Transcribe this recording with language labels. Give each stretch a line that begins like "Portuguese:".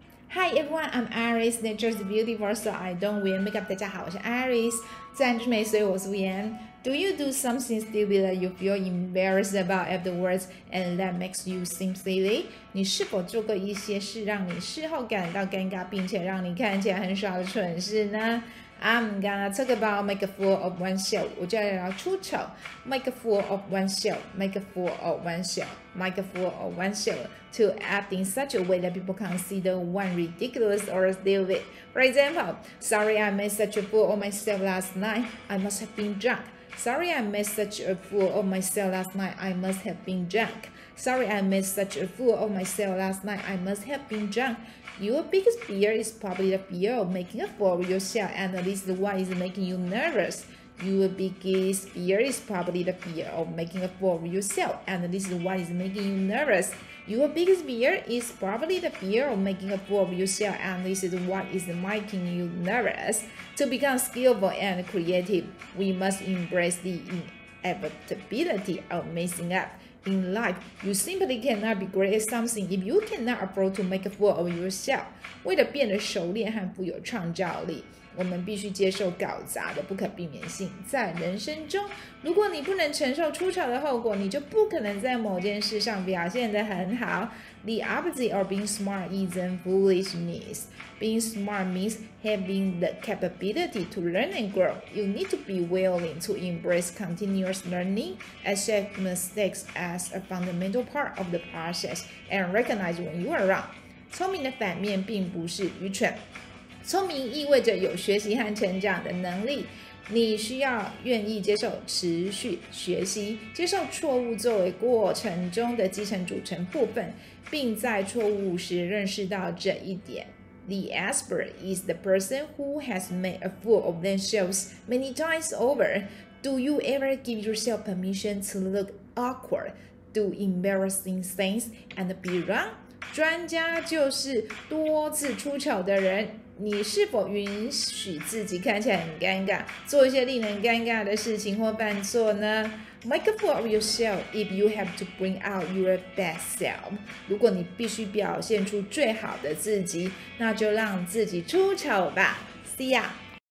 English: Hi everyone, I'm Iris, Nature's Beautiful, so I don't wear makeup.
Chinese: 大家好，我是 Iris， 自然之美，所以我是 Vian。
English: Do you do something stupid that you feel embarrassed about afterwards and that makes you seem silly?
Chinese: 你是否做过一些事让你事后感到尴尬，并且让你看起来很傻的蠢事呢？
English: I'm gonna talk about make a fool of oneself.
Chinese: 我就要聊出丑。
English: Make a fool of oneself. Make a fool of oneself. Make a fool of oneself. To act in such a way that people consider one ridiculous or stupid. For example, sorry I made such a fool of myself last night. I must have been drunk. Sorry I made such a fool of myself last night. I must have been drunk. Sorry I made such a fool of myself last night. I must have been drunk. Your biggest fear is probably the fear of making a fool of yourself, and at least one is making you nervous. Your biggest fear is probably the fear of making a fool of yourself, and at least one is making you nervous. Your biggest fear is probably the fear of making a fool of yourself, and this is what is making you nervous. To become skillful and creative, we must embrace the inevitability of messing up. In life, you simply cannot be great at something if you cannot afford to make a fool of yourself.
Chinese: 为了变得熟练和富有创造力，我们必须接受搞砸的不可避免性。在人生中，如果你不能承受出丑的后果，你就不可能在某件事上表现得很好。
English: The opposite of being smart isn't foolishness. Being smart means having the capability to learn and grow. You need to be willing to embrace continuous learning, accept mistakes as a fundamental part of the process, and recognize when you are wrong.
Chinese: 聪明的反面并不是愚蠢。聪明意味着有学习和成长的能力，你需要愿意接受持续学习，接受错误作为过程中的基层组成部分，并在错误时认识到这一点。
English: The expert is the person who has made a fool of themselves many times over. Do you ever give yourself permission to look awkward, do embarrassing things, and be wrong?
Chinese: 专家就是多次出丑的人。你是否允许自己看起来很尴尬，做一些令人尴尬的事情或犯错呢？
English: Make a fool of yourself if you have to bring out your best self.
Chinese: 如果你必须表现出最好的自己，那就让自己出丑吧。
English: See ya!